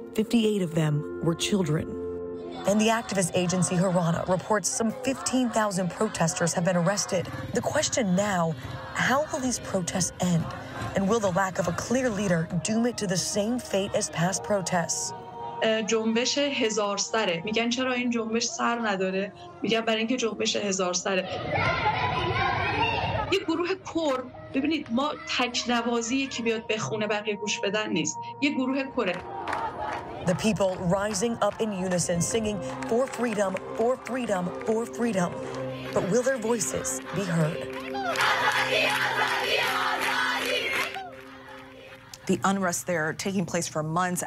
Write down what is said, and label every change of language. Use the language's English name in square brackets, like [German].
[English] 58 of them were children. And the activist agency Hirana reports some 15,000 protesters have been arrested. The question now, how will these protests end? And will the lack of a clear leader doom it to the same fate as past protests? [Persian] جنبش هزار سره. میگن چرا این جنبش سر نداره؟ میگن برای اینکه جنبش هزار سره. یک گروه کور، ببینید ما تک نوازی که بیاد بخونه بقیه گوش بدن نیست. یک گروه کوره. [English] The people rising up in unison singing for freedom, for freedom, for freedom. But will their voices be heard? The unrest there taking place for months.